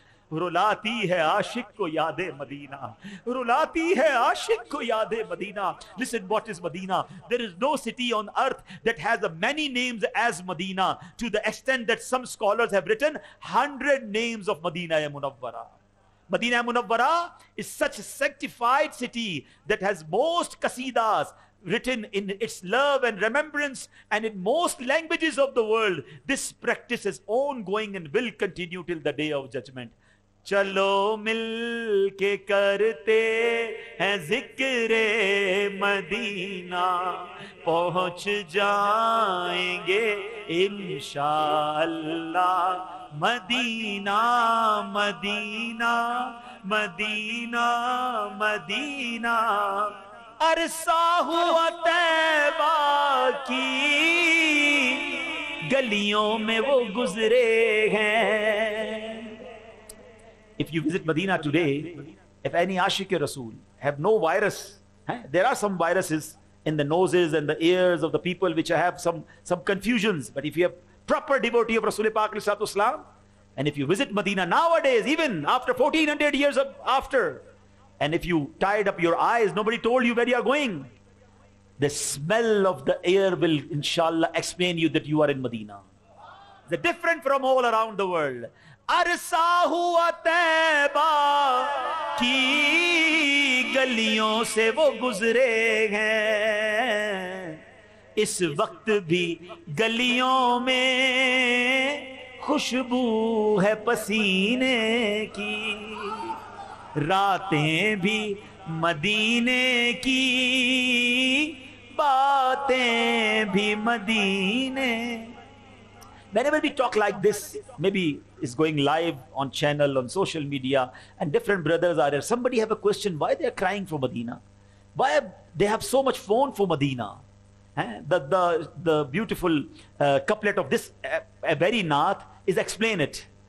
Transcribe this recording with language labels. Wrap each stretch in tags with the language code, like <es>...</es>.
<ur>رولاتی ہے عاشق کو یاد مدینہ, رولاتی ہے عاشق کو یاد مدینہ.</ur> <en>Listen, what is Medina? There is no city on earth that has many names as Medina, to the extent that some scholars have written 100 names of Medina Munawwara. Medina Munawwara is such a sanctified city that has most qasidas written in its love and remembrance and in most languages of the world. This practice is ongoing and will continue till the day of judgment.</en> <ur>چلو مل کے کرتے ہیں ذکر مدینہ, پہنچ جائیں گے انشاءاللہ. مدینہ مدینہ مدینہ مدینہ, عرصہ ہوا طیبہ کی گلیوں میں وہ گزرے ہیں.</ur> <en>If you visit Medina today, if any Ashik-e-Rasool have no virus, there are some viruses in the noses and the ears of the people which have some confusions. But if you have proper devotee of Rasool-e-Pak alayhi salatu wasalam, and if you visit Medina nowadays, even after 1400 years after, and if you tied up your eyes, nobody told you where you are going, the smell of the air will inshallah explain you that you are in Medina. They're different from all around the world.</en> <ur>عرصہ ہوا طیبہ کی گلیوں سے وہ گزرے ہیں, اس وقت بھی گلیوں میں خوشبو ہے پسینے کی, راتیں بھی مدینے کی, باتیں بھی مدینے.</ur> <en>Whenever we talk like this, maybe it's going live on channel, on social media, and different brothers are there. Somebody have a question, why they are crying for Medina? Why they have so much phone for Medina? The beautiful couplet of this very naat is explain it.</en>